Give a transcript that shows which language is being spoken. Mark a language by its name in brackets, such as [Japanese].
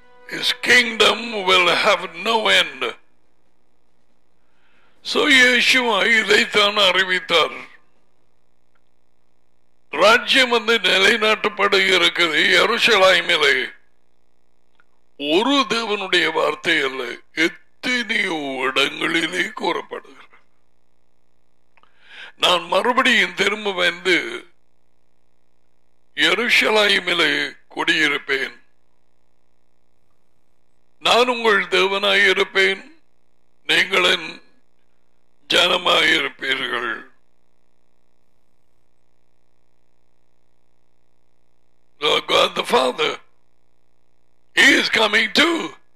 [English] His kingdom will have no end. [Tamil] So Yeshua இதைத்தான் அறிவித்தார். ராஜ்யம் வந்து நிலைநாட்டப்படு இருக்குது எருசலாய்மிலே. ஒரு தேவனுடைய வார்த்தை அல்ல, எத்தனையோ இடங்களிலே கூறப்படுகிறது. நான் மறுபடியும் திரும்ப வந்து எருசலாய்மிலே குடியிருப்பேன், நான் உங்கள் தேவனாயிருப்பேன், நீங்களின் ஜனமாயிருப்பீர்கள். [English] God the Father, He is coming too.